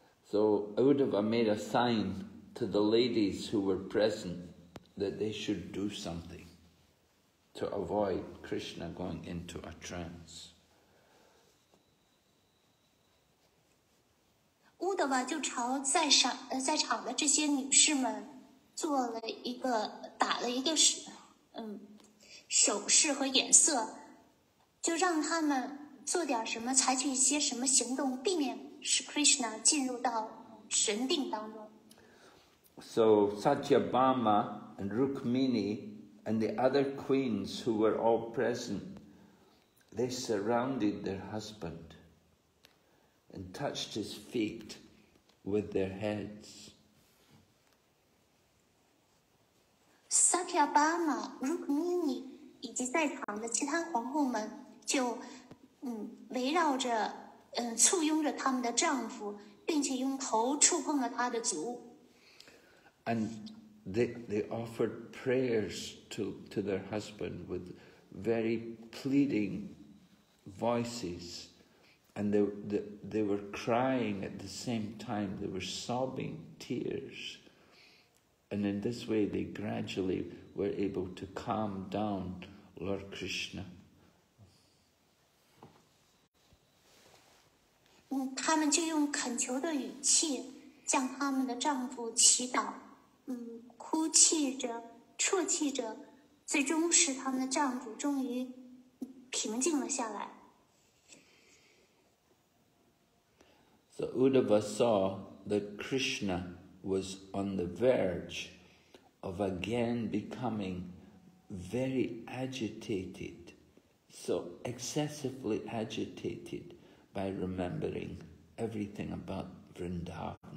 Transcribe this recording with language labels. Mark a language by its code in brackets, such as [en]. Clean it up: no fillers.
[en] So Uddhava made a sign to the ladies who were present that they should do something to avoid Krishna going into a trance. [zh] Uddhava 就朝在场的这些女士们做了一个打了一个手势和眼色，就让他们做点什么，采取一些什么行动，避免。 [en] So Satyabhama and Rukmini and the other queens who were all present, they surrounded their husband and touched his feet with their heads. [zh] Sakyabama, Rukmini, 以及在场的其他皇后们就围绕着簇拥着他们的丈夫，并且用头触碰了他的足。 [en] And they offered prayers to their husband with very pleading voices, and they were crying at the same time. They were sobbing tears, and in this way, they gradually were able to calm down Lord Krishna. [zh] 他们就用恳求的语气向他们的丈夫祈祷。哭泣着，啜泣着，最终使他们的丈夫终于平静了下来。 [en] So Uddhava saw that Krishna was on the verge of again becoming very agitated, so excessively agitated by remembering everything about Vrindavan.